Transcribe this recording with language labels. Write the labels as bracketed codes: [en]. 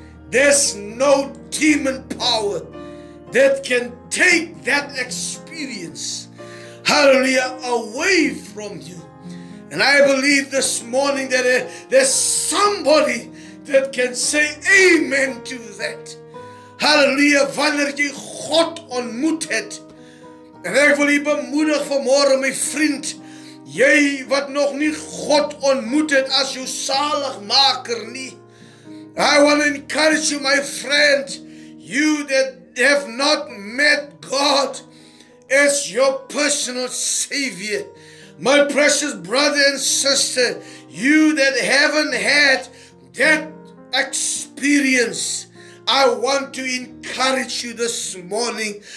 [en] There's no demon power that can take that experience, hallelujah, away from you. And I believe this morning that there's somebody that can say amen to that. [af] Hallelujah, wanneer jy God ontmoet het. En ek wil jy bemoedig vanmôre, my vriend, jy wat nog nie God ontmoet het as jou saligmaker nie. [en] I want to encourage you, my friend, you that have not met God as your personal savior. My precious brother and sister, you that haven't had that experience, I want to encourage you this morning.